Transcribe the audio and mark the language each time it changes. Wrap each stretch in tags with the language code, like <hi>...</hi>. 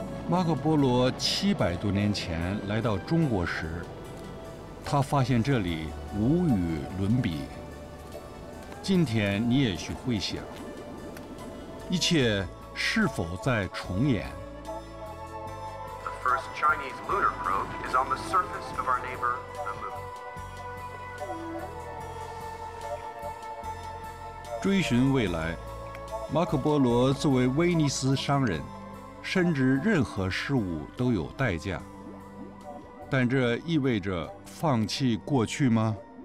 <zh>马可波罗700多年前来到中国时，他发现这里无与伦比。今天你也许会想，一切是否在重演</zh> <en>？The first Chinese lunar probe is on the surface of our neighbor, the moon.</en> <zh>追寻未来，马可波罗作为威尼斯商人，深知任何事物都有代价。但这意味着放弃过去吗？</zh>